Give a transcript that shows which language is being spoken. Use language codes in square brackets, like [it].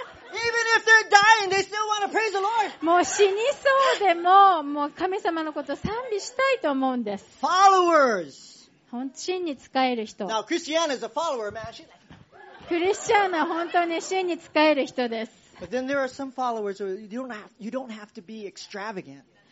[en] Even if they're dying, they still want to praise the Lord. [ja] もう死にそうでも、もう神様のことを賛美したいと思うんです。 [en] Followers. [ja] 真に使える人。 [en] Now, Christiana is a follower, man. She's like, [ja] クリスチャンは本当に真に使える人です。 [en] But then there are some followers where you don't have to be extravagant.